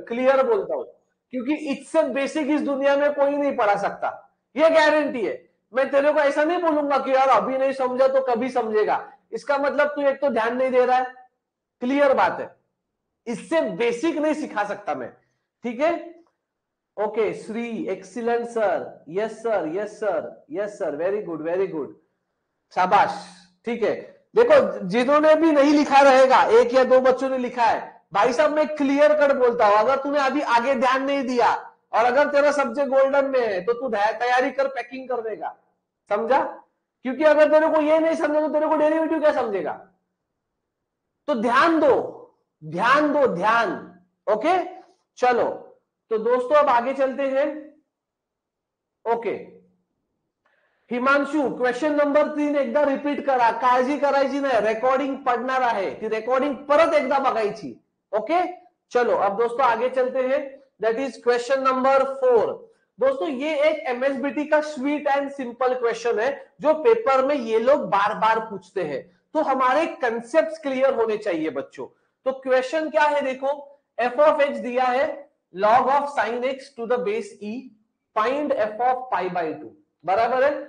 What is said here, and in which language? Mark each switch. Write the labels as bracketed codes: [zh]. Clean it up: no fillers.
[hi] Clear बोलता हूं, क्योंकि इससे बेसिक इस दुनिया में कोई नहीं पढ़ा सकता, ये गारंटी है। मैं तेरे को ऐसा नहीं बोलूंगा कि यार अभी नहीं समझा तो कभी समझेगा, इसका मतलब तू एक तो ध्यान नहीं दे रहा है, क्लियर बात है, इससे बेसिक नहीं सिखा सकता मैं, ठीक है? Okay Shri, excellent sir, yes sir, yes sir, yes sir, very good, very good, शाबाश। ठीक है, देखो जिन्होंने भी नहीं लिखा रहेगा, एक या दो बच्चों ने लिखा है, भाई साहब मैं क्लियर कट बोलता हूं, अगर तूने अभी आगे ध्यान नहीं दिया और अगर तेरा सब्जेक्ट गोल्डन में है तो तू तैयारी कर, पैकिंग कर देगा, समझा? क्योंकि अगर तेरे को ये नहीं समझे तो तेरे को डेरिवेटिव क्या समझेगा? तो ध्यान दो, ध्यान दो, ध्यान। ओके चलो, तो दोस्तों अब आगे चलते हैं। [mr] ओके हिमांशु, क्वेश्चन नंबर 3 एकदा रिपीट करा, काळजी करायची नाही, रेकॉर्डिंग पडणार आहे, ती रेकॉर्डिंग परत एकदा बघायची। [hi] ओके चलो अब दोस्तों आगे चलते हैं, दैट इज क्वेश्चन नंबर 4। दोस्तों ये एक एमएसबीटी का स्वीट एंड सिंपल क्वेश्चन है जो पेपर में ये लोग बार बार पूछते हैं, तो हमारे कंसेप्ट क्लियर होने चाहिए बच्चों। तो क्वेश्चन क्या है देखो, एफ ऑफ एक्स दिया है, log of sine x to the base E, find F of pi by two, बराबर है?